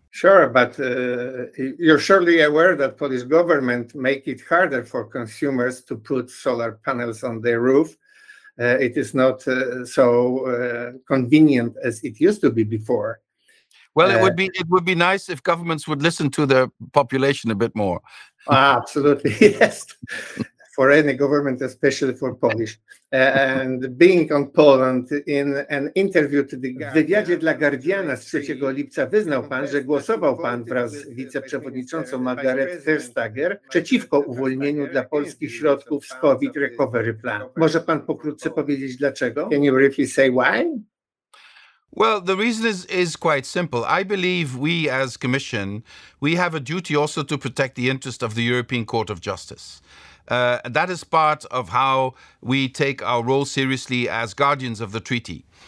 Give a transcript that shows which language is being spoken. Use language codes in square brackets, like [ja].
[en] Sure, but you're surely aware that Polish government make it harder for consumers to put solar panels on their roof. It is not so convenient as it used to be before. Well, it would be nice if governments would listen to their population a bit more. Absolutely, yes. For any government, especially for Polish. And being on Poland, in an interview to the Guardian, [pl] w wywiadzie dla Guardiana z 3 lipca wyznał pan, że głosował pan wraz z wiceprzewodniczącą Margaret Vestager przeciwko uwolnieniu dla Polski środków z COVID recovery plan. Może pan pokrótce powiedzieć dlaczego? [en] Can you briefly say why? Well, the reason is quite simple. I believe we as Commission, we have a duty also to protect the interest of the European Court of Justice. That is part of how we take our role seriously as guardians of the treaty.